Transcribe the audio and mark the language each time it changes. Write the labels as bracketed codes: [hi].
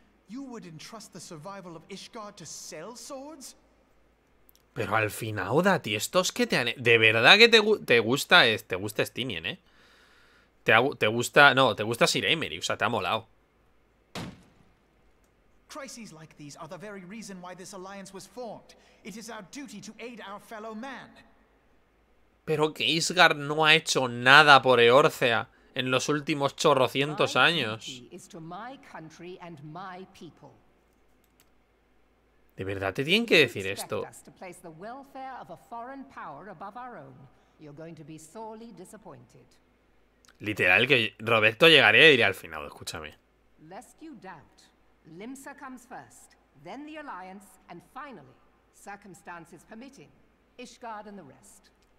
[en] You would entrust the survival of Ishgard to sell swords? [es] Pero al final, Dati, estos que te han... De verdad que te gusta Stinien, ¿eh? Te gusta Sir Aimery, o sea, te ha molado. [en] Crises like these are the very reason why this alliance was formed. It is our duty to aid our fellow man. [es] Pero que Isgard no ha hecho nada por Eorzea en los últimos chorrocientos años. [en] My duty is to my country and my people. [es] De verdad te tienen que decir esto. [en] You expect us to place the welfare of a foreign power above our own. You're going to be sorely disappointed. [es] Literal que Roberto llegaría y diría al final, escúchame. [en] Lest you doubt. Limsa comes first, then the alliance, and finally, circumstances permitting, Ishgard and the rest.